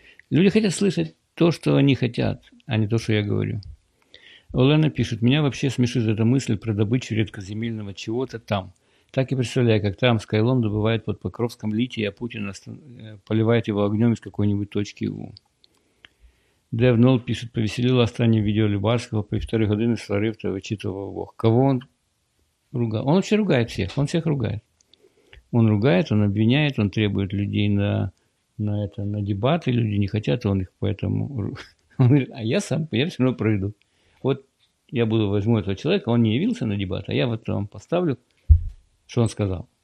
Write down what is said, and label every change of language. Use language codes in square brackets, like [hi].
[ru] Люди хотят слышать то, что они хотят, а не то, что я говорю. Леана пишет. Меня вообще смешит эта мысль про добычу редкоземельного чего-то там. Так и представляю, как там Скайлом добывает под Покровском литий, а Путин поливает его огнем из какой-нибудь точки У. [uk] Дев Нолл [ru] пишет, повеселило [uk] останнє відео Любарського, півтори години сварив та вичитував Бог. [ru] Кого он ругает? Он вообще ругает всех, он всех ругает. Он ругает, он обвиняет, он требует людей на дебаты, люди не хотят, он их поэтому... Он говорит, а я сам, я все равно пройду. Вот я возьму этого человека, он не явился на дебаты, а я вот вам поставлю, что он сказал.